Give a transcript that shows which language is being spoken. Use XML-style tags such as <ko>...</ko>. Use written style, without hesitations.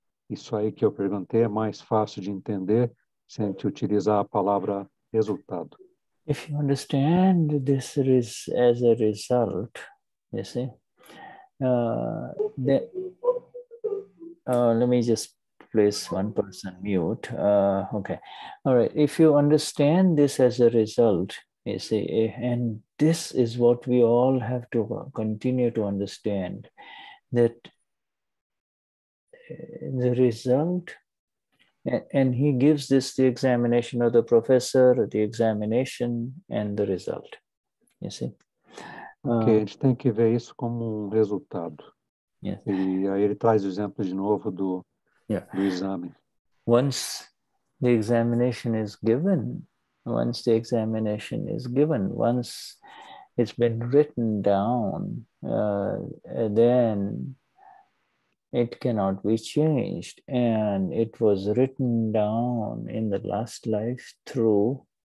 <pt>Isso aí que eu perguntei é mais fácil de entender se a gente utilizar a palavra resultado.</pt> <en>If you understand this is as a result, you see, let me just place one person mute. Okay. All right. If you understand this as a result, you see, and this is what we all have to continue to understand, that the result, and he gives this, the examination of the professor, the examination, and the result, you see.</en> <pt>Okay, a gente tem que ver isso como resultado.</pt> <en>Yes.</en> <pt>E aí ele traz o exemplo de novo do exame.</pt> <en>Once the examination is given, once it's been written down, then it cannot be changed, and it was written down in the last life through</en>